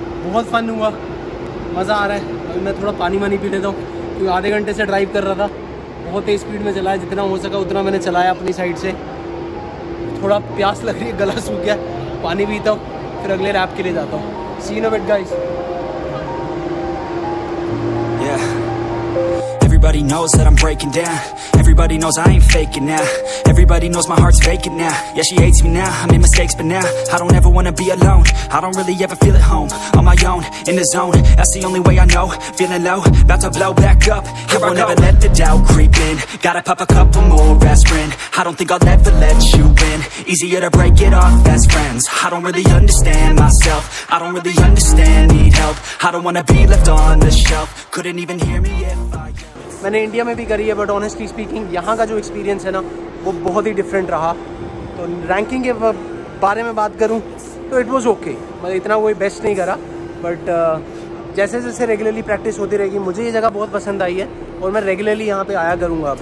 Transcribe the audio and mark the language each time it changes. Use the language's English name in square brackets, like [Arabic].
[Hindi] बहुत फन हुआ, मज़ा आ रहा है। अभी मैं थोड़ा पानी वानी पी लेता हूँ क्योंकि आधे घंटे से ड्राइव कर रहा था, बहुत तेज़ स्पीड में चलाया, जितना हो सका उतना मैंने चलाया अपनी साइड से। थोड़ा प्यास लग रही है, गला सूख गया, पानी पीता हूँ फिर अगले लैप के लिए जाता हूँ। [English] See in a bit guys. Everybody knows that I'm breaking down. Everybody knows I ain't faking now. Everybody knows my heart's faking now. Yeah, she hates me now. I made mistakes, but now I don't ever wanna be alone. I don't really ever feel at home. On my own, in the zone. That's the only way I know. Feeling low, about to blow back up. Here I won't ever let the doubt creep in. Gotta pop a couple more aspirin. I don't think I'll ever let you in. Easier to break it off best friends. I don't really understand myself. I don't really understand, need help. I don't wanna be left on the shelf. Couldn't even hear me if I... [Hindi] मैंने India में भी करी है, [English] but honestly speaking [Hindi] यहाँ का जो experience है ना वो बहुत ही डिफरेंट रहा। तो रैंकिंग के बारे में बात करूँ तो [English] it was okay, [Hindi] मतलब इतना कोई बेस्ट नहीं करा, बट जैसे जैसे रेगुलरली प्रैक्टिस होती रहेगी, मुझे ये जगह बहुत पसंद आई है और मैं रेगुलरली यहाँ पर आया करूँगा।